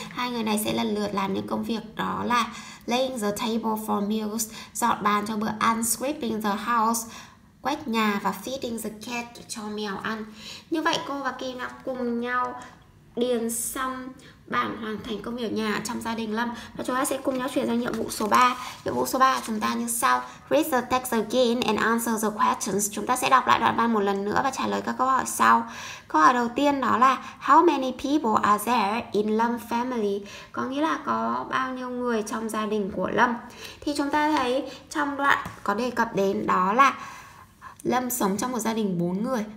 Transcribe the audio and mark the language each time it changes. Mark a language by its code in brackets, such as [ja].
[vi] Hai người này sẽ lần lượt làm những công việc, đó là [en] laying the table for meals, [vi] dọn bàn cho bữa ăn, [en] sweeping the house, [vi] quét nhà và [en] feeding the cat, [vi] cho mèo ăn. Như vậy cô và Kim đã cùng nhau điền xong bảng hoàn thành công việc nhà trong gia đình Lâm. Và chúng ta sẽ cùng nhau chuyển sang nhiệm vụ số 3. Nhiệm vụ số 3 chúng ta như sau. [en] Read the text again and answer the questions. [vi] Chúng ta sẽ đọc lại đoạn văn một lần nữa và trả lời các câu hỏi sau. Câu hỏi đầu tiên đó là [en] how many people are there in Lâm family? [vi] Có nghĩa là có bao nhiêu người trong gia đình của Lâm. Thì chúng ta thấy trong đoạn có đề cập đến, đó là Lâm sống trong một gia đình 4 người.